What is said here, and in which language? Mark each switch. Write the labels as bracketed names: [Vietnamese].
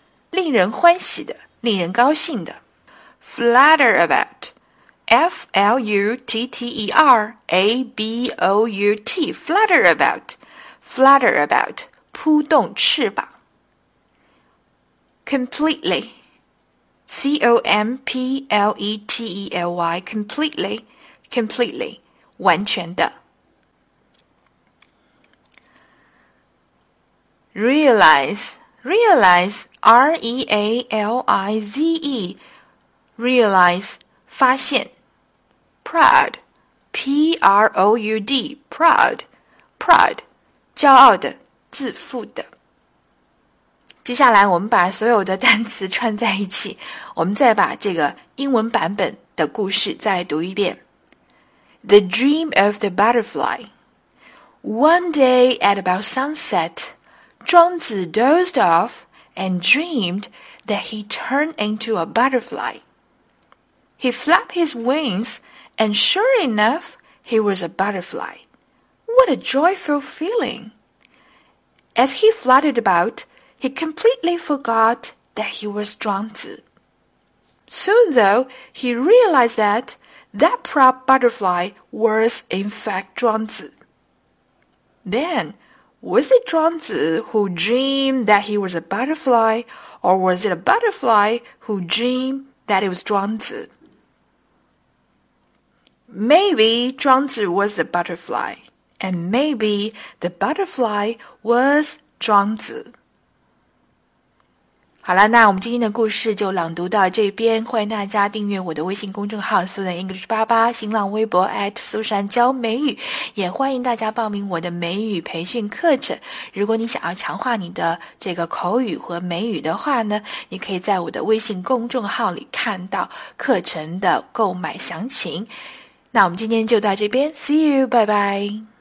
[Chinese] 令人欢喜的，令人高兴的。 [English] Flutter about, F-L-U-T-T-E-R-A-B-O-U-T, flutter about, flutter about, [Chinese] 扑动翅膀。 [English] Completely, C-O-M-P-L-E-T-E-L-Y, completely, completely, [Chinese] 完全的。 [English] Realize, realize, R-E-A-L-I-Z-E, realize, [Chinese] 发现。 [English] Proud, P-R-O-U-D, proud, proud, [Chinese] 骄傲的，自负的。接下来我们把所有的单词串在一起，我们再把这个英文版本的故事再读一遍。 [English] The dream of the butterfly. One day at about sunset,庄子 dozed off and dreamed that he turned into a butterfly. He flapped his wings And sure enough, he was a butterfly. What a joyful feeling! As he fluttered about, he completely forgot that he was Zhuang Zi. Soon, though, he realized that that proud butterfly was, in fact, Zhuang Zi. Then, was it Zhuang Zi who dreamed that he was a butterfly, or was it a butterfly who dreamed that it was Zhuang Zi? Maybe Zhuang Zi was the butterfly, and maybe the butterfly was Zhuang Zi. [Chinese] 好了，那我们今天的故事就朗读到这边。欢迎大家订阅我的微信公众号 Susan English 88，新浪微博 @Susan 教美语，也欢迎大家报名我的美语培训课程。如果你想要强化你的这个口语和美语的话呢，你可以在我的微信公众号里看到课程的购买详情。那我们今天就到这边 ， [English] See you， [Chinese] 拜拜。